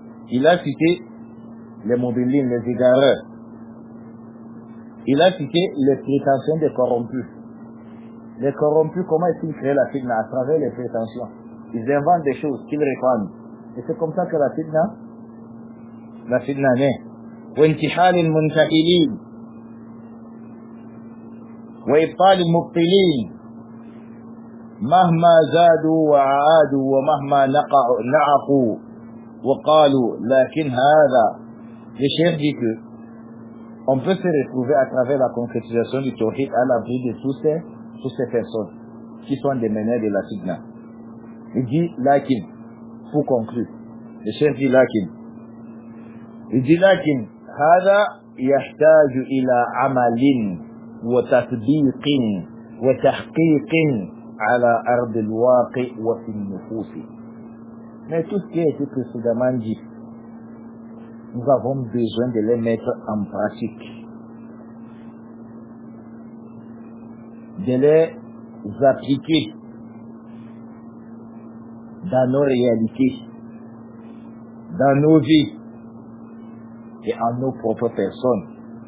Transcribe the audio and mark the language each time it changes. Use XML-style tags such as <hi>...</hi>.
<fr>Il a cité les mudillin, les égareurs. Il a cité les prétentions des corrompus. Les corrompus, comment est-ce qu'ils créent la fitna? À travers les prétentions. Ils inventent des choses qu'ils réclament. Et c'est comme ça que la fitna naît.</fr> <ar>وانتحال المنتحلين وإبطال المبطلين مهما زادوا وعادوا ومهما نعقوا وقالوا لكن هذا.</ar> <fr>Le chef dit que on peut se retrouver à travers la concrétisation du tawhid à l'abri de toutes ces personnes qui sont des meneurs de la fitna. Il dit lakin, pour conclure. Le chef dit lakin. Il dit</fr> <ar>lakin, هذا يحتاج إلى عمل وتطبيق وتحقيق على أرض الواقع وفي النفوس.</ar> <fr>Mais tout ce qui a été précédemment dit, nous avons besoin de les mettre en pratique, de les appliquer dans nos réalités, dans nos vies et en nos propres personnes.</fr>